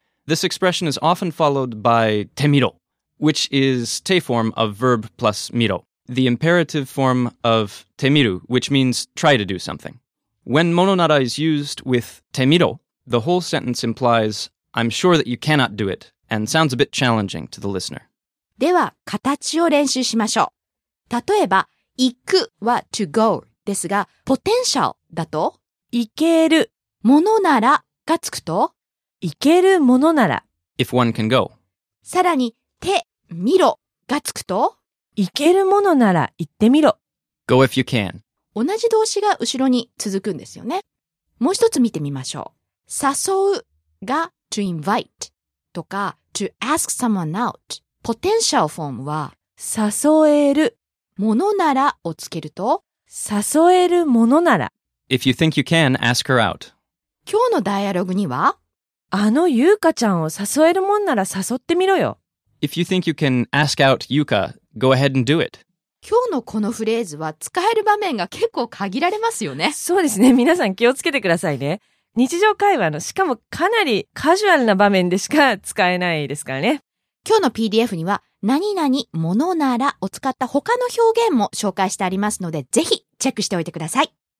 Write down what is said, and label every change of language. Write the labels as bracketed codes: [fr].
[en] This expression is often followed by te miro, which is te form of verb plus miro, the imperative form of te miru, which means try to do something. When ものなら is used with te miro, the whole sentence impliesI'm sure that you cannot do it, and sounds a bit challenging to the listener. [ja] では、形を練習しましょう。例えば、行くは [en] to go [ja] ですが、potential だと、行ける。ものならがつくと、行けるものなら。 [en] If one can go. [ja] さらに、手、見ろがつくと、行けるものなら行ってみろ。 [en] Go if you can. [ja] 同じ動詞が後ろに続くんですよね。もう一つ見てみましょう。誘うが、 [en] To invite とか To ask someone out Potential form は [ja] 誘えるものならをつけると誘えるものなら [en] If you think you can, ask her out [ja] 今日のダイアログにはあのユーカちゃんを誘えるもんなら誘ってみろよ [en] If you think you can ask out Yuka, go ahead and do it [ja] 今日のこのフレーズは使える場面が結構限られますよねそうですね、皆さん気をつけてくださいね日常会話のしかもかなりカジュアルな場面でしか使えないですからね。今日の PDF には何々ものならを使った他の表現も紹介してありますのでぜひチェックしておいてください。